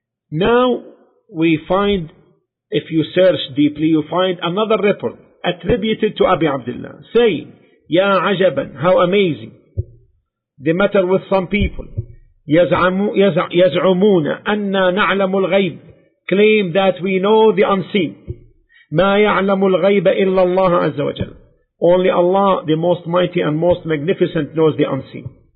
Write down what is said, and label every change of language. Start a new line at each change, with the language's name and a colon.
English: Now, we find, if you search deeply, you find another report attributed to Abu Abdullah, saying, Ya Ajaban, how amazing, the matter with some people.
Arabic: يزعمون أن نعلم الغيب,
English: claim that we know the unseen.
Arabic: ما يعلم الغيب إلا الله عز وجل.
English: Only Allah, the most mighty and most magnificent, knows the unseen.